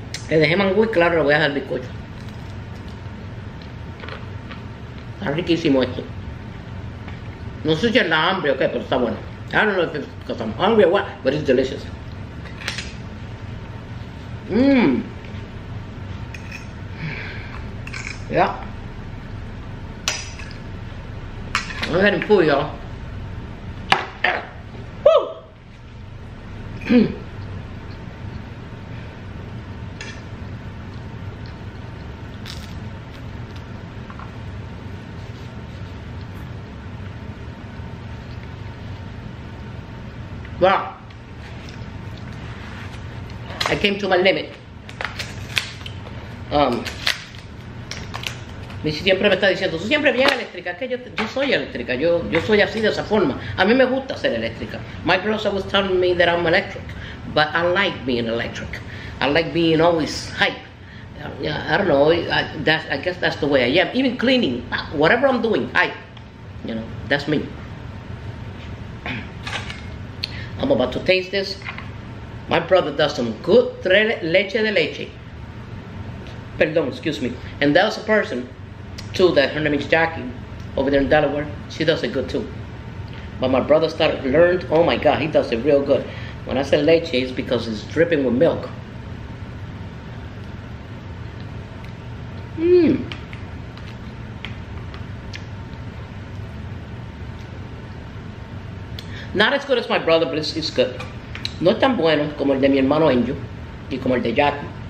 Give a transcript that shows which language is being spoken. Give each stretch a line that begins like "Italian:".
Spanish: Le dejé mango y claro, le voy a dejar el bizcocho. Está riquísimo esto. No sé si es la hambre o qué, pero está bueno.
English: I don't know if it's because I'm hungry or what, but it's delicious. Mmm. Yeah. I'm gonna head and pull, y'all. Woo! Wow. I came to my limit.
Spanish: Michi siempre me está diciendo, tú siempre vienes eléctrica. Es que yo soy eléctrica. Yo soy así de esa forma. A mí me gusta ser eléctrica.
English: My girls always tell me that I'm electric. But I like being electric. I like being always hype. Yeah, I don't know. I guess that's the way I am. Even cleaning. Whatever I'm doing, hype. You know, that's me. I'm about to taste this. My brother does some good leche de leche. Perdón, excuse me. And that was a person, too, that her name is Jackie, over there in Delaware. She does it good, too. But my brother learned, oh my God, he does it real good. When I say leche, it's because it's dripping with milk. Mmm. Not as good as my brother, but it's good.
Spanish: No es tan bueno como el de mi hermano Enjo y como el de Jackie.